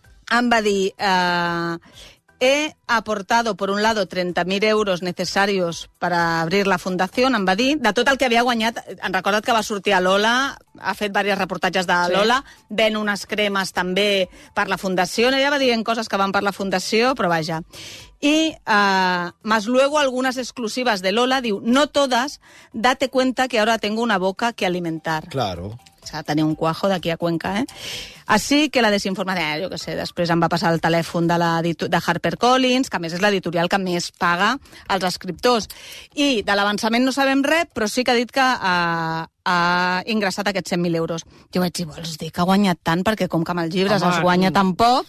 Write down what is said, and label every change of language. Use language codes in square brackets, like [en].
[ca] Em va dir, [es] he aportado, por un lado, 30.000 euros necesarios para abrir la fundación, [ca] em va dir, de tot el que havia guanyat, han recordat que va sortir a Lola, ha fet diversos reportatges de Lola, sí, ven unes cremes també per la fundació, ella va dient coses que van per la fundació, però vaja. [es] I, más luego, algunas exclusivas de Lola, diu, no todas, date cuenta que ahora tengo una boca que alimentar. Claro. O sea, [ca] tenia un cuajo d'aquí a Cuenca, eh? Així que la desinformació, jo què sé, després em va passar el telèfon de HarperCollins, que a més és l'editorial que més paga als escriptors. I de l'avançament no sabem res, però sí que ha dit que ha ingressat aquests 100.000 euros. Jo vaig dir, vols dir que ha guanyat tant? Perquè com que amb els llibres es guanya tan poc...